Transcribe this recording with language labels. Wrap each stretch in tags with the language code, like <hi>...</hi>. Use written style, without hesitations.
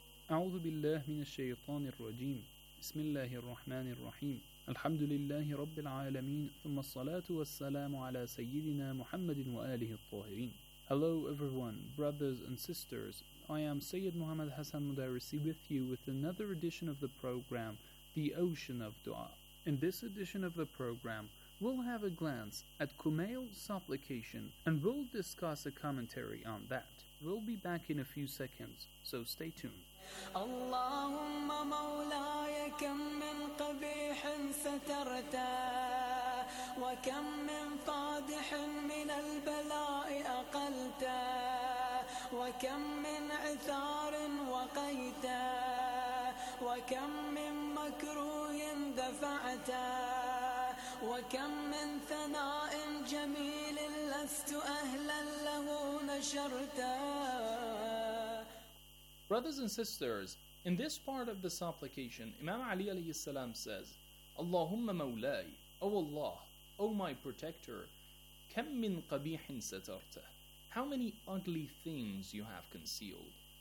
<ar>أعوذ بالله من الشيطان الرجيم بسم الله الرحمن الرحيم الحمد لله رب العالمين ثم الصلاة والسلام على سيدنا محمد وآله الطاهرين.</ar> <en>Hello everyone, brothers and sisters, I am Sayyid Muhammad Hassan Mudarrisi with you with another edition of the program The Ocean of Dua. In this edition of the program, we'll have a glance at Kumail's supplication and we'll discuss a commentary on that. We'll be back in a few seconds, so stay tuned.</en> <ar>اللهم مولاي كم من قبيح سترتا وكم من قادح من البلاء أقلتا وكم من عثار وقيتا وكم من مكروه دفعتا وكم من ثناء جميل لست أهلا له نشرتا.</ar> <en>Brothers and sisters, in this part of the supplication, Imam Ali alayhi salam says,</en> <ar>Allahumma mawlay,</ar> <en>O Allah, O my protector,</en> <ar>kam min qabihin satarta,</ar> <en>how many ugly things you have concealed,</en>